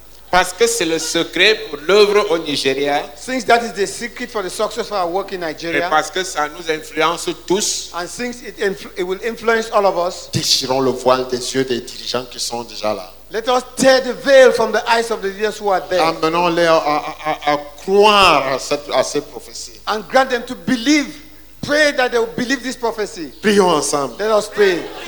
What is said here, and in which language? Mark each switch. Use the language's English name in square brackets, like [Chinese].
[French] Parce que c'est le secret pour l'œuvre au Nigeria. [English] Since that is the secret for the success of our work in Nigeria. [French] Et parce que ça nous influence tous. [English] And since it will influence all of us. [French] Déchirons le voile des yeux des dirigeants qui sont déjà là. [English] Let us tear the veil from the eyes of the leaders who are there. [French] Amenons-les à croire à cette prophétie. [English] And grant them to believe. Pray that they will believe this prophecy. [French] Prions ensemble. [English] Let us pray.